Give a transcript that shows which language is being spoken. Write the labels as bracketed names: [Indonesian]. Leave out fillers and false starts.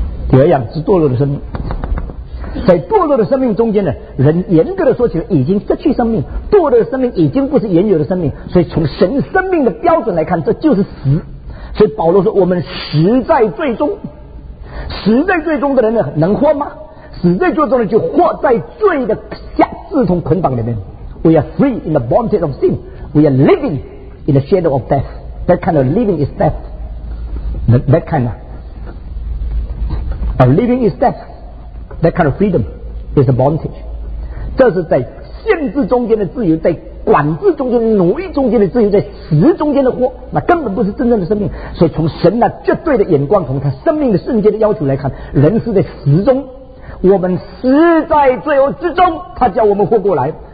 [Chinese] 第二样是堕落的生命，在堕落的生命中间呢，人严格的说起来已经失去生命，堕落的生命已经不是原有的生命，所以从神生命的标准来看这就是死。所以保罗说我们死在罪中，死在罪中的人呢能活吗？死在罪中的人就活在罪的下自同捆绑里面。 [English] We are free in the bondage of sin. We are living in the shadow of death. That kind of living is death. That kind of living is deathThat kind of freedom is a bondage. [Chinese] 这是在限制中间的自由，在管制中间、奴役中间的自由，在死中间的祸，那根本不是真正的生命。所以从神那绝对的眼光，从他生命的瞬间的要求来看，人是在死中，我们死在罪恶之中，他叫我们活过来。